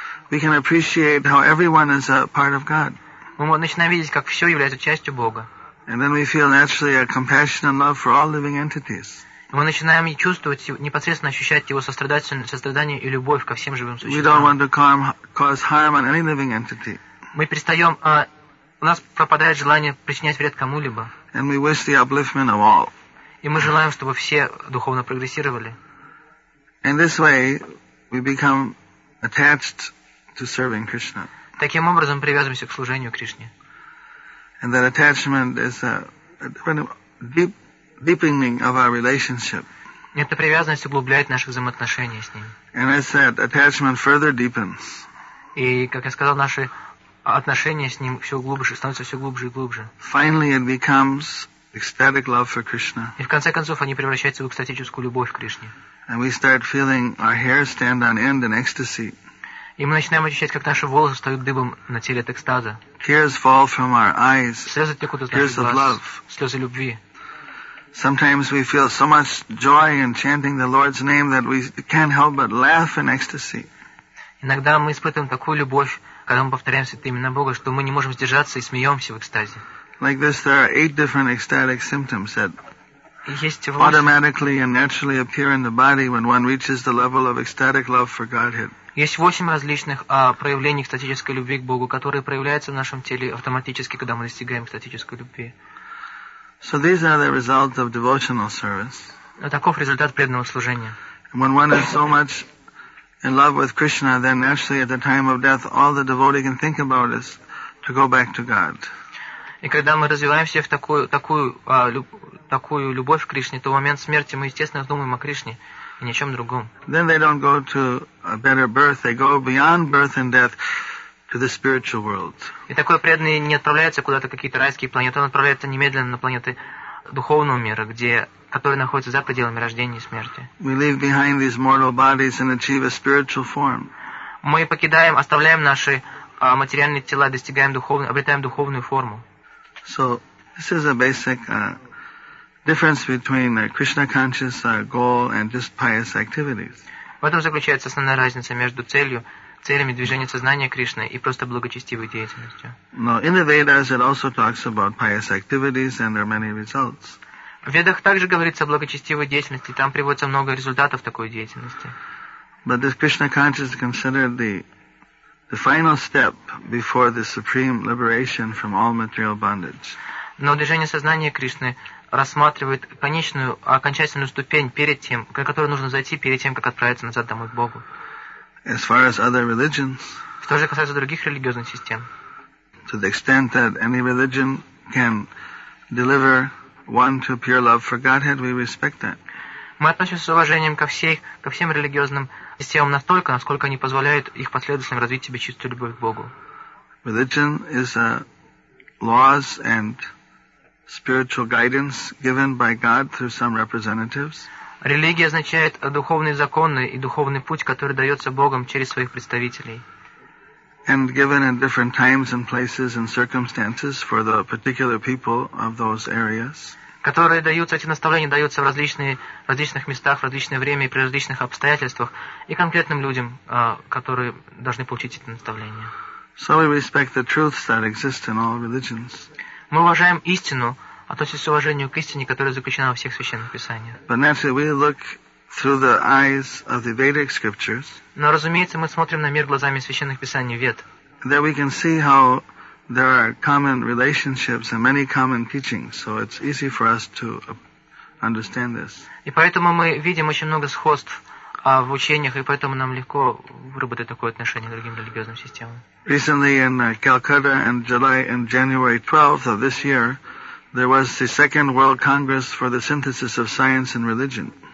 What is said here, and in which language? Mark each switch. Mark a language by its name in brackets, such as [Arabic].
[English] We can appreciate how everyone is a part of God. [Russian] Мы начинаем видеть, как все является частью Бога. [English] And then we feel naturally a compassion and love for all living entities. [Russian] Мы начинаем чувствовать, непосредственно ощущать его сострадание и любовь ко всем живым существам. [English] We don't want to cause harm on any living entity. [Russian] Мы перестаем, у нас пропадает желание причинять вред кому-либо. [English] And we wish the upliftment of all. [Russian] И мы желаем, чтобы все духовно прогрессировали. [English] In this way, we become attached to serving Krishna. [Russian] Таким образом, привязываемся к служению Кришне. [English] And that attachment is a deepening of our relationship. [Russian] Эта привязанность углубляет наши взаимоотношения с ним. [English] And as said, attachment further deepens. [Russian] И, как я сказал, наши отношения с ним все глубже, становятся все глубже и глубже. [English] Finally, it becomes ecstatic love for Krishna. [Russian] И в конце концов, они превращаются в экстатическую любовь к Кришне. [English] And we start feeling our hair stand on end in ecstasy. [Russian] И мы начинаем ощущать, как наши волосы встают дыбом на теле от экстаза. [English] Tears fall from our eyes. [Russian] Слезы текут из наших глаз. Слезы любви. [English] Sometimes we feel so much joy in chanting the Lord's name that we can't help but laugh in ecstasy. [Russian] Иногда мы испытываем такую любовь, когда мы повторяем святые имена Бога, что мы не можем сдержаться и смеемся в экстазе. [English] Like this, there are 8 different ecstatic symptoms that [Russian] есть [English] automatically and naturally appear in the body when one reaches the level of ecstatic love for Godhead. [Russian] Есть 8 различных проявлений экстатической любви к Богу, которые проявляются в нашем теле автоматически, когда мы достигаем экстатической любви. [English] So these are the results of devotional service. [Russian] Таков результат преданного служения. [English] When one is so much in love with Krishna, then actually at the time of death, all the devotee can think about is to go back to God. [Russian] И когда мы развиваемся в такую такую любовь к Кришне, то в момент смерти мы, естественно, думаем о Кришне и ни о чем другом. [English] Then they don't go to a better birth, they go beyond birth and death to the spiritual world. [Russian] И такой преданный не отправляется куда-то какие-то райские планеты, он отправляется немедленно на планеты духовного мира, где, которые находятся за пределами рождения и смерти. [English] We leave behind these mortal bodies and achieve a spiritual form. [Russian] Мы покидаем, оставляем наши материальные тела, достигаем духовную, обретаем духовную форму. [English] So this is a basic difference between Krishna conscious goal and just pious activities. [Russian] В этом заключается основная разница между целью, целями движения сознания Кришны и просто благочестивой деятельностью. [English] No, in the Vedas it also talks about pious activities and there are many results. [Russian] В Ведах также говорится о благочестивой деятельности, там приводится много результатов такой деятельности. [English] But this Krishna conscious is considered the final step before the supreme liberation from all material bondage. [Russian] Но движение сознания Кришны рассматривает конечную, окончательную ступень перед тем, к которой нужно зайти, перед тем, как отправиться назад домой к Богу. [English] As far as other religions, [Russian] что же касается других религиозных систем, [English] to the extent that any religion can deliver one to pure love for Godhead, we respect that. [Russian] Мы относимся с уважением ко всем религиозным системам настолько, насколько они позволяют их последователям развить в себе чистую любовь к Богу. [English] Religion is a laws and spiritual guidance given by God through some representatives. [Russian] Религия означает духовные законы и духовный путь, который дается Богом через своих представителей. [English] And given in different times and places and circumstances for the particular people of those areas. [Russian] Которые даются, эти наставления даются в различных местах, в различное время и при различных обстоятельствах и конкретным людям, которые должны получить эти наставления. [English] So we respect the truths that exist in all religions. [Russian] Мы уважаем истину, относимся с уважением к истине, которая заключена во всех священных писаниях. [English] But naturally we look through the eyes of the Vedic scriptures. [Russian] Но, разумеется, мы смотрим на мир глазами священных писаний Вед. [English] There we can see how there are common relationships and many common teachings, so it's easy for us to understand this. [Russian] И поэтому мы видим очень много сходств в учениях, и поэтому нам легко выработать такое отношение к другим религиозным системам. [English] Recently in Calcutta in July and January 12th of this year, there was the Second World Congress for the Synthesis of Science and Religion.